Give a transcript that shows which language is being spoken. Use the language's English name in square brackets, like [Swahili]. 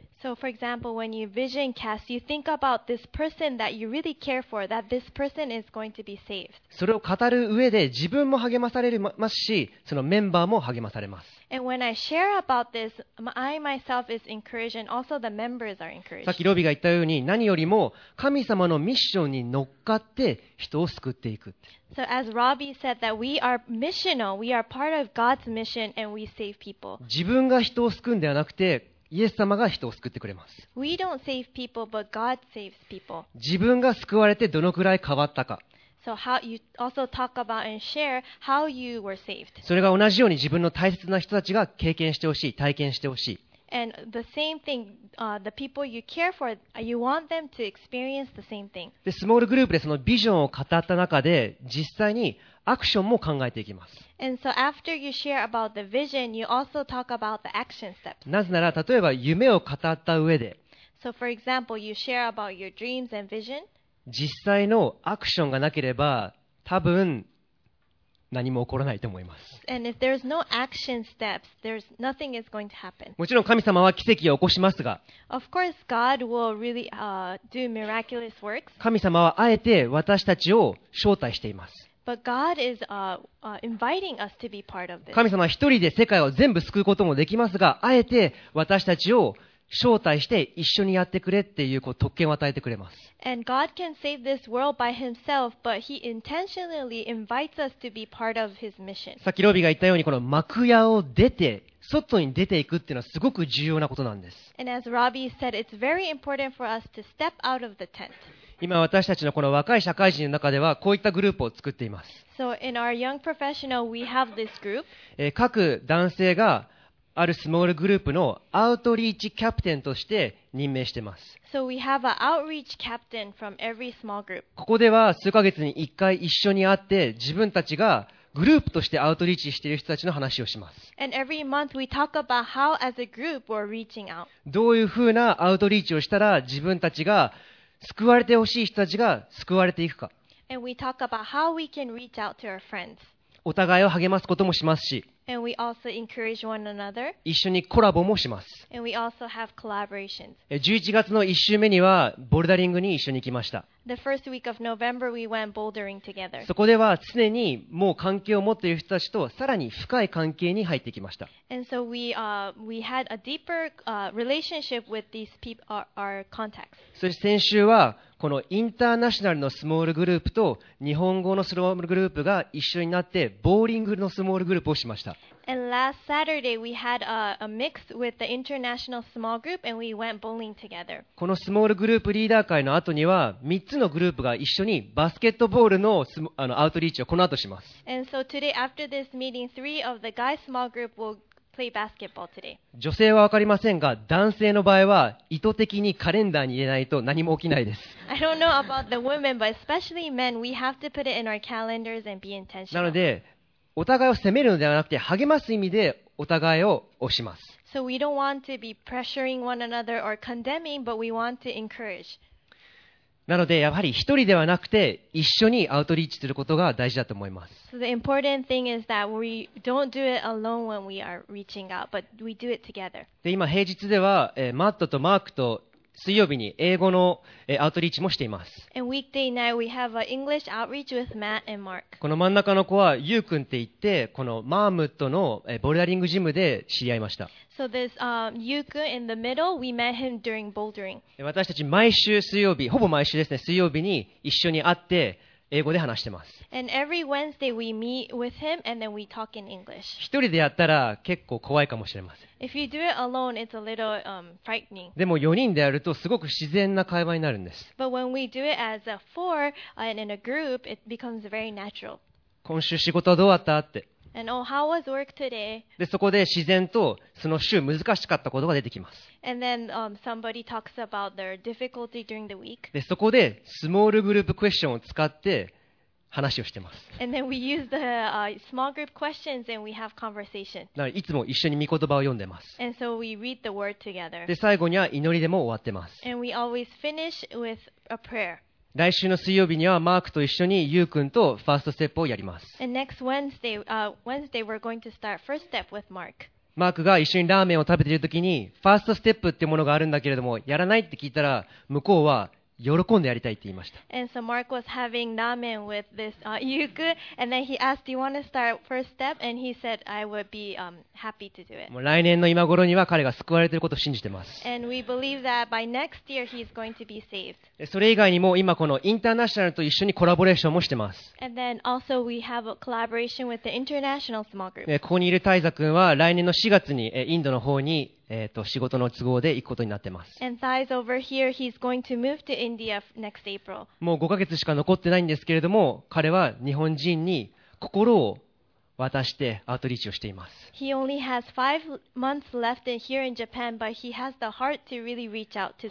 [English] So for example, when you vision cast, you think about this person that you really care for, that this person is going to be saved. [Japanese] それを語る上で自分も励まされますし、そのメンバーも励まされます。 [English] And when I share about this, I myself is encouraged and also the members are encouraged. [Japanese] さっきロビーが言ったように、何よりも神様のミッションに乗っかって人を救っていく。 [English] So as Robbie said that we are missional, we are part of God's mission and we save people. [Japanese] 自分が人を救うんではなくて、イエス様が人を救ってくれます。 [English] We don't save people, but God saves people. [Japanese] 自分が救われてどのくらい変わったか。 [English] So how you also talk about and share how you were saved. [Japanese] それが同じように自分の大切な人たちが経験してほしい、体験してほしい。 [English] And the same thing, the people you care for, you want them to experience the same thing. [Japanese] で、スモールグループでそのビジョンを語った中で実際にアクションも考えていきます。 [English] And so after you share about the vision, you also talk about the action steps. [Japanese] なぜなら、例えば夢を語った上で、 [English] So for example, you share about your dreams and vision. [Japanese] 実際のアクションがなければ、多分何も起こらないと思います。 [English] And if there's no action steps, there's nothing is going to happen. [Japanese] もちろん神様は奇跡を起こしますが、 [English] Of course, God will really, do miraculous works. [Japanese] 神様はあえて私たちを招待しています。 [English] But God is, inviting us to be part of this. [Japanese] 神様は一人で世界を全部救うこともできますが、あえて私たちを招待して一緒にやってくれっていう、こう特権を与えてくれます。 [English] And God can save this world by himself, but he intentionally invites us to be part of his mission. [Japanese] さっきロビーが言ったように、この幕屋を出て、外に出ていくっていうのはすごく重要なことなんです。 [English] And as Robbie said, it's very important for us to step out of the tent. [Japanese] 今私たちのこの若い社会人の中では、こういったグループを作っています。 [English] So in our young professional, we have this group. [Japanese] 各男性が、あるスモールグループのアウトリーチキャプテンとして任命しています。 [English] So we have an outreach captain from every small group. [Japanese] ここでは数ヶ月に一回一緒に会って、自分たちがグループとしてアウトリーチしている人たちの話をします。 [English] And every month we talk about how as a group we're reaching out. [Japanese] どういうふうなアウトリーチをしたら自分たちが救われてほしい人たちが救われていくか。 [English] And we talk about how we can reach out to our friends. [Japanese] お互いを励ますこともしますし、 [English] And we also encourage one another. [Japanese] 一緒にコラボもします。 [English] And we also have collaborations. [Japanese] 11月の1週目にはボルダリングに一緒に行きました。 [English] The first week of November, we went bouldering together. [Japanese] そこでは常にもう関係を持っている人たちとさらに深い関係に入ってきました。 [English] And so we had a deeper, relationship with these people, our contacts. [Japanese] そして先週はこのインターナショナルのスモールグループと日本語のスモールグループが一緒になってボーリングのスモールグループをしました。 [English] And last Saturday we had a mix with the international small group and we went bowling together. [Japanese] このスモールグループリーダー会の後には3つのグループが一緒にバスケットボール のアウトリーチをこの後します。 [English] And so today after this meeting, three of the guys small group will play basketball today. [Japanese] 女性は分かりませんが、男性の場合は意図的にカレンダーに入れないと何も起きないです。 [English] I don't know about the women, but especially men, we have to put it in our calendars and be intentional. [Japanese] なのでお互いを責めるのではなくて励ます意味でお互いを押します。 [English] So we don't want to be pressuring one another or condemning, but we want to encourage. [Japanese] なのでやはり一人ではなくて一緒にアウトリーチすることが大事だと思います。 [English] So the important thing is that we don't do it alone when we are reaching out, but we do it together. [Japanese] で今平日では、マットとマークと水曜日に英語の、アウトリーチもしています。 [English] And weekday night we have an English outreach with Matt and Mark. [Japanese] この真ん中の子はユウ君って言って、このマームットの、ボルダリングジムで知り合いました。 [English] So this, ユウ君 in the middle, we met him during bouldering. [Japanese] 私たち毎週水曜日、ほぼ毎週ですね、水曜日に一緒に会って、英語で話してます。 [English] And every Wednesday we meet with him and then we talk in English. [Japanese] 一人でやったら結構怖いかもしれません。 [English] If you do it alone, it's a little, frightening. [Japanese] でも4人でやるとすごく自然な会話になるんです。 [English] But when we do it as a four and in a group, it becomes very natural. [Japanese] 今週仕事はどうだったって。 [English] And oh, how was work today? [Japanese] でそこで自然とその週難しかったことが出てきます。 [English] And then, somebody talks about their difficulty during the week. [Japanese] でそこでスモールグループクエスチョンを使って話をしてます。 [English] And then we use the, small group questions and we have conversation. [Japanese] だからいつも一緒に御言葉を読んでます。 [English] And so we read the word together. [Japanese] で最後には祈りでも終わってます。 [English] And we always finish with a prayer. [Japanese] 来週の水曜日にはマークと一緒にユウ君とファーストステップをやります。 [English] And next Wednesday, we're going to start first step with Mark. [Japanese] マークが一緒にラーメンを食べているときにファーストステップってものがあるんだけれどもやらないって聞いたら向こうは喜んでやりたいって言いました。 [English] And so Mark was having ramen with this Yuku, and then he asked, "Do you want to start first step?" And he said, "I would be happy to do it." [Japanese] もう来年の今頃には彼が救われていることを信じてます。 [English] And we believe that by next year he's going to be saved. [Japanese] それ以外にも今このインターナショナルと一緒にコラボレーションもしてます。 [English] And then also we have a collaboration with the international small group. [Japanese] ここにいるタイザ君は来年の4月にインドの方に仕事の都合で行くことになってます。 [English] And Thais over here, he's going to move to India next April. [Japanese] もう5ヶ月しか残ってないんですけれども、彼は日本人に心を渡してアウトリーチをしています。 [English] He only has 5 months left in here in Japan, but he has the heart to really reach out to the Japanese people.